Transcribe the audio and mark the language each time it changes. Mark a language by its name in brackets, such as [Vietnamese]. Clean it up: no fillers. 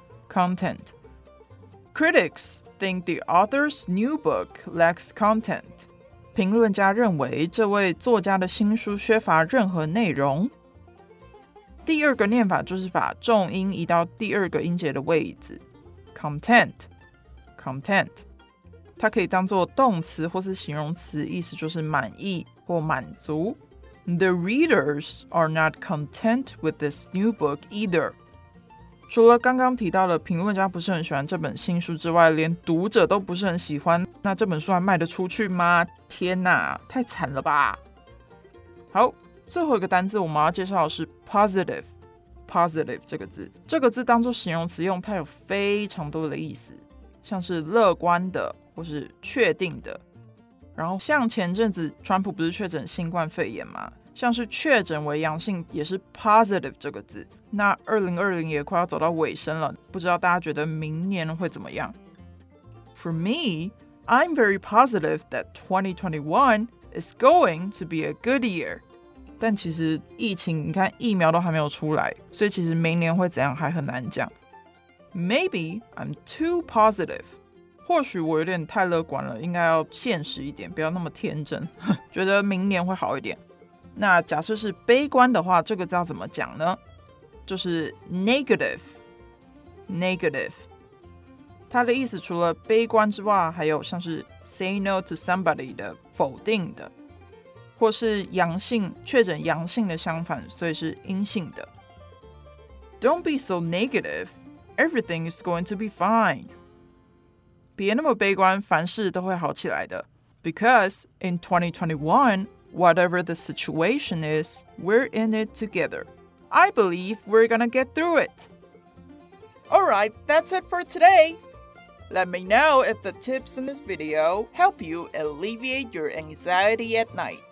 [English] Critics think the author's new book lacks content. [Chinese] 评论家认为这位作家的新书缺乏任何内容。第二个念法就是把重音移到第二个音节的位置， content。它可以当作动词或是形容词，意思就是满意或满足。 [English] The readers are not content with this new book either. [Chinese] 除了刚刚提到的评论家不是很喜欢这本新书之外，连读者都不是很喜欢，那这本书还卖得出去吗？天哪，太惨了吧。好，最后一个单字我们要介绍的是 positive。 positive 这个字，这个字当作形容词用，它有非常多的意思，像是乐观的或是确定的。然后像前阵子川普不是确诊新冠肺炎吗？像是确诊为阳性也是 positive 这个字。那2020也快要走到尾声了，不知道大家觉得明年会怎么样？ [English] For me, I'm very positive that 2021 is going to be a good year. [Chinese] 但其实疫情，你看疫苗都还没有出来，所以其实明年会怎样还很难讲。 [English] Maybe I'm too positive. [Chinese] 或许我有点太乐观了，应该要现实一点，不要那么天真，觉得明年会好一点。那假设是悲观的话，这个字要怎么讲呢？就是 negative， negative。它的意思除了悲观之外，还有像是 [English] say no to somebody [Chinese] 的否定的，或是阳性确诊阳性的相反，所以是阴性的。 [English] Don't be so negative, everything is going to be fine. [Chinese] 别那么悲观，凡事都会好起来的。 [English] Because in 2021,Whatever the situation is, we're in it together. I believe we're gonna get through it. Alright, that's it for today. Let me know if the tips in this video help you alleviate your anxiety at night.